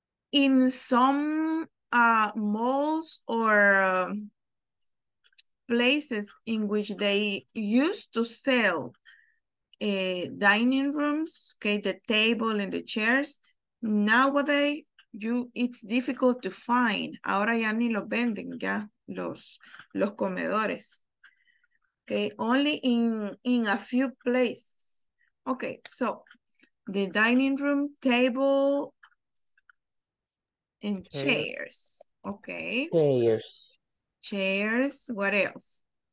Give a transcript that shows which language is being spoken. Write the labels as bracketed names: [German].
[English] In some malls or places in which they used to sell dining rooms, okay, the table and the chairs. Nowadays, it's difficult to find. [Spanish] Ahora ya ni lo venden ya, los comedores. [English] Okay, only in a few places. Okay, so the dining room, table, and chairs. Okay. Chairs. Chairs, what else?